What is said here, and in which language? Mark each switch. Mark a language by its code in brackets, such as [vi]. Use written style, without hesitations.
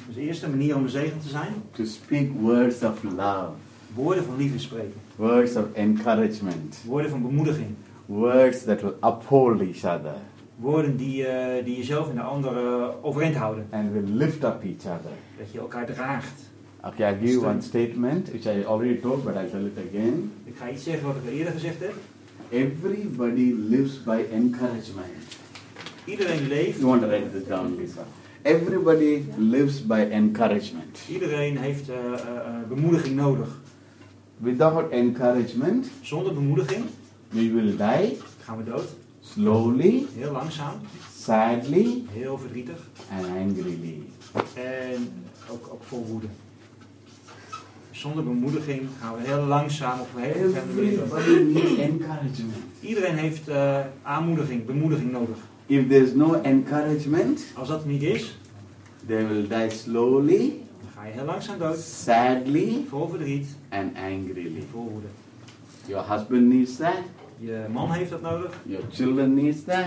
[nl] Dus de eerste manier om een zegen te zijn. [en] To speak words of love. [nl] Woorden van liefde spreken. [en] Words of encouragement. [nl] Woorden van bemoediging. [en] Words that will uphold each other. [nl] Woorden die jezelf en de anderen overeind houden. [en] And will lift up each other. [nl] Dat je elkaar draagt. [en] Okay, I'll give you one statement which I already told, but I'll tell it again. [nl] Ik ga iets zeggen wat ik al eerder gezegd heb. [en] Everybody lives by encouragement. [nl] Iedereen leeft. [en] You want to write this down, Lisa. Everybody lives by encouragement. [nl] Iedereen heeft bemoediging nodig. [en] Without encouragement. [nl] Zonder bemoediging. [en] We will die. [nl] Gaan we dood. [en] Slowly. [nl] Heel langzaam. [en] Sadly. [nl] Heel verdrietig. [en] And angrily. [nl] En ook vol woede. Zonder bemoediging gaan we heel langzaam of heel [en] encouragement. [nl] Iedereen heeft aanmoediging, bemoediging nodig. [en] If there is no encouragement, [nl] als dat niet is, [en] they will die slowly, [nl] dan ga je heel langzaam dood. [en] Sadly, [nl] vol verdriet. [en] And angrily. [nl] Vol woede. [en] Your husband needs that. [nl] Je man heeft dat nodig. [en] Your children needs that.